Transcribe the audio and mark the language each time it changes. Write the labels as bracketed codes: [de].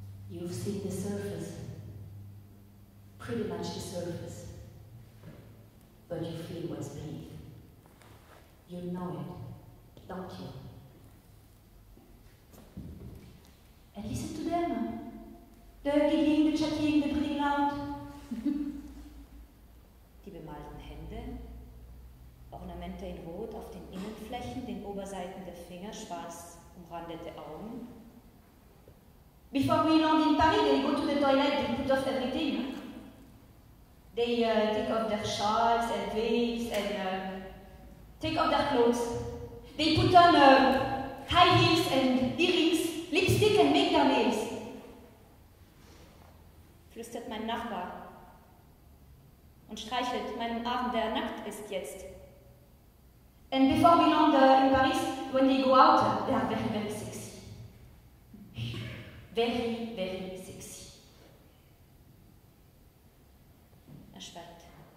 [en] You've seen the surface, pretty much the surface, but you feel what's beneath. You know it, don't you? And listen to them. They're giggling, they're chatting, they're breathing loud. [de] Die bemalten Hände, Ornamente in Rot auf den Innenflächen, den Oberseiten der Finger, schwarz umrandete Augen. [en] Before we land in Paris, they go to the toilet, they put off everything. They take off their shawls and wigs and take off their clothes. They put on high heels and earrings, lipstick and make their nails. [de] Flüstert mein Nachbar und streichelt meinen Arm, der nackt ist jetzt. [en] And before we land in Paris, when they go out, they are very, very sick. Very, very sexy. [de] Er schweigt.